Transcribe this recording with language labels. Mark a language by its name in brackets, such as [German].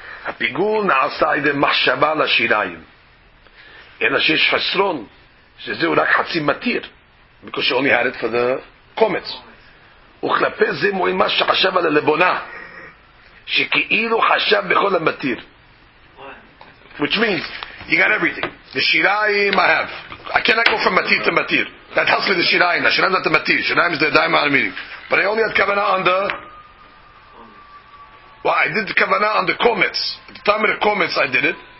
[Hebrew] הפיגול נעשה עדי מחשבה לשיריים. אלא שיש חסרון, שזהו רק חצי מתיר, [English] because you only had it for the comets. [Hebrew] וכלפי זה מועיל מה שחשב על הלבונה, שכאילו חשב בכל המתיר. [English] Which means, you got everything. The שיריים I have. I cannot go from מתיר to מתיר. That helps me the שיריים. The שיריים is not the מתיר. שיריים is the diamond I'm meaning. But I only had kavanah on the... Well, I did the kavanah on the comets. At the time of the comets, I did it.